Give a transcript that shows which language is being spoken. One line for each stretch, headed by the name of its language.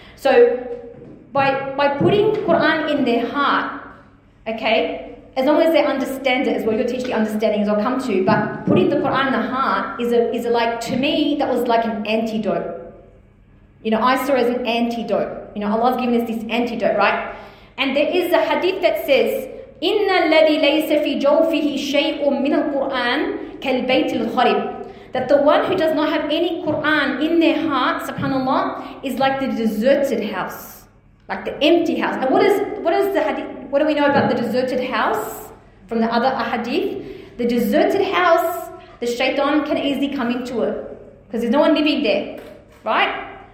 English: So by putting Quran in their heart, okay, as long as they understand it, as well, you'll teach the understanding, as I'll come to, but putting the Quran in the heart is a like, to me, that was like an antidote. You know, I saw it as an antidote. You know, Allah's given us this antidote, right? And there is a hadith that says,
Arabic: إِنَّ الَّذِي لَيْسَ فِي جَوْفِهِ شَيْءٌ مِّنَ الْقُرْآنِ كَالْبَيْتِ الْخَرِبِ.
English: That the one who does not have any Quran in their heart, subhanAllah, is like the deserted house. Like the empty house. And what is the hadith? What do we know about the deserted house from the other ahadith? The deserted house, the shaitan can easily come into it because there's no one living there, right?